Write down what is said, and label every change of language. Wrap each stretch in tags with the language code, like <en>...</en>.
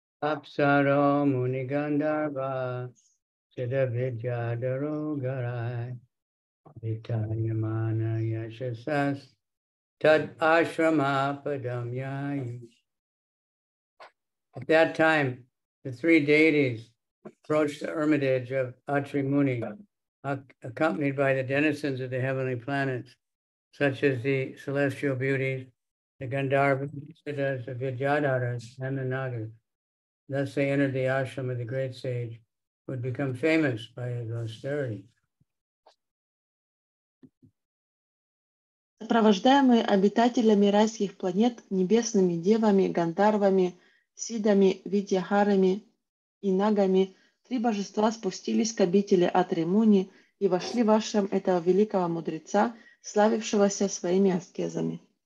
<sa>Апсаро муни гандарва сидда видья дару гарай витая мана яшасас тад ашрама падам яй.</sa> <en>At that time, the three deities approached the hermitage of Atrimuni, accompanied by the denizens of the heavenly planets, such as the celestial beauties, the Gandharvas, the Vidyadharas, and the Nagas. Thus they entered the ashram of the great sage, who had become famous by his austerity.</en> <ru>Сопровождаемые обитателями райских планет, небесными девами, гандарвами, сидами, видьядхарами и нагами, три божества спустились к обители Атримуни и вошли в ашрам этого великого мудреца, славившегося своими аскезами.</ru>